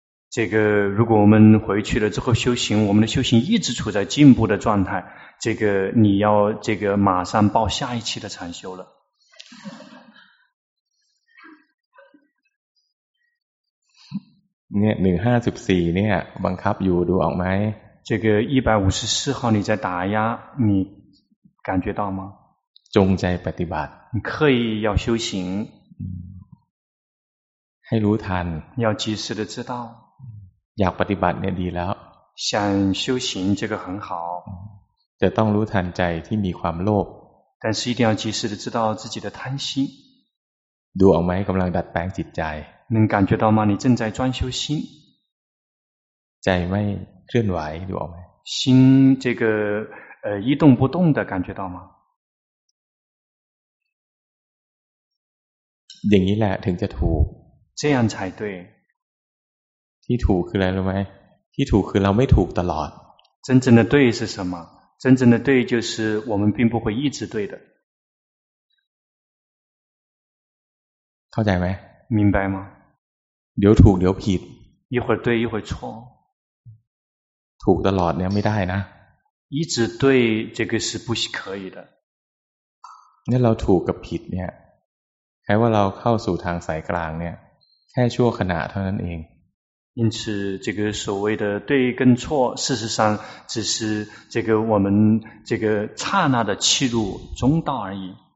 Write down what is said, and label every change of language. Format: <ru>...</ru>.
<zh>这个如果我们回去了之后修行我们的修行一直处在进步的状态这个你要这个马上报下一期的禅修了</zh> <th>เนี่ย154เนี่ยบังคับอยู่ดูออกไหม</th> <zh>这个154号你在打压你感觉到吗</zh> <th>จงใจปฏิบัติ</th> <zh>刻意要修行</zh> <th>ให้รู้ทัน</th> <zh>要及时的知道</zh> <th>อยากปฏิบัติเนี่ยดีแล้ว</th> <zh>想修行这个很好</zh> <th>จะต้องรู้ทันใจที่มีความโลภ</th> <zh>但是一定要及时的知道自己的贪心</zh> <th>ดูออกไหมกำลังดัดแปลงจิตใจ</th> <zh>能感觉到吗？你正在专修心，在没</zh> <th>เคลื่อนไหว，</th> <zh>对吗？心这个一动不动的感觉到吗？</zh> <th>อย่างนี้แหละถึงจะถูก</th> <zh>这样才对。</zh> <th>ที่ถูกคืออะไรรู้ไหม？ ที่ถูกคือเราไม่ถูกตลอด。</th> <zh>真正的对是什么？真正的对就是我们并不会一直对的。</zh> <th>เข้าใจไหม？</th> <zh>明白吗？</zh> <th>เดี๋ยวถูกเดี๋ยวผิด</th> <zh>一会儿对一会儿错</zh> <th>ถูกตลอดเนี่ยไม่ได้นะ</th> <zh>一直对这个是不可以的</zh> <th>นี่เราถูกกับผิดเนี่ยแค่ว่าเราเข้าสู่ทางสายกลางเนี่ยแค่ชั่วขณะเท่านั้นเอง</th> <zh>因此这个所谓的对跟错事实上只是这个我们这个刹那的气入中道而已</zh>